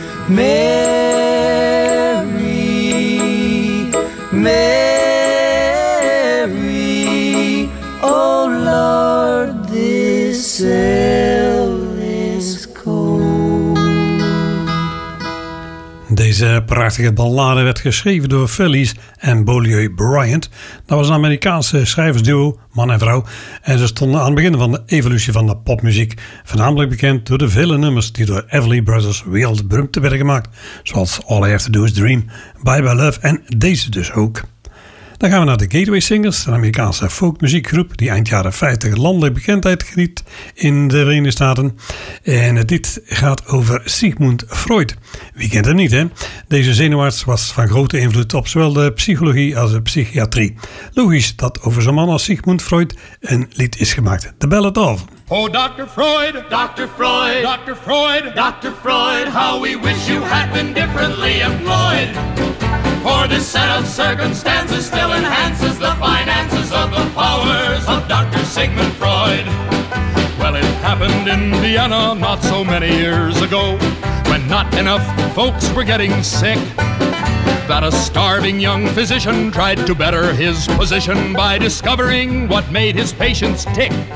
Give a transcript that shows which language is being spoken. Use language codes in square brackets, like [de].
[en] Mary, Mary, oh Lord, this cell is cold. [nl] Deze prachtige ballade werd geschreven door Phillies en Beaulieu Bryant. Dat was een Amerikaanse schrijversduo, man en vrouw. En ze stonden aan het begin van de evolutie van de popmuziek. Voornamelijk bekend door de vele nummers die door Everly Brothers wereld beroemd werden gemaakt. Zoals All I Have To Do Is Dream, Bye Bye Love en deze dus ook. Dan gaan we naar de Gateway Singers, een Amerikaanse folkmuziekgroep die eind jaren 50 landelijk bekendheid geniet in de Verenigde Staten. En dit gaat over Sigmund Freud. Wie kent hem niet, hè? Deze zenuwarts was van grote invloed op zowel de psychologie als de psychiatrie. Logisch dat over zo'n man als Sigmund Freud een lied is gemaakt, The Ballad of. [en] Oh, Dr. Freud, Dr. Freud, Dr. Freud, Dr. Freud, how we wish you had been differently employed. For this set of circumstances still enhances the finances of the powers of Dr. Sigmund Freud. Well, it happened in Vienna not so many years ago, when not enough folks were getting sick, that a starving young physician tried to better his position by discovering what made his patients tick.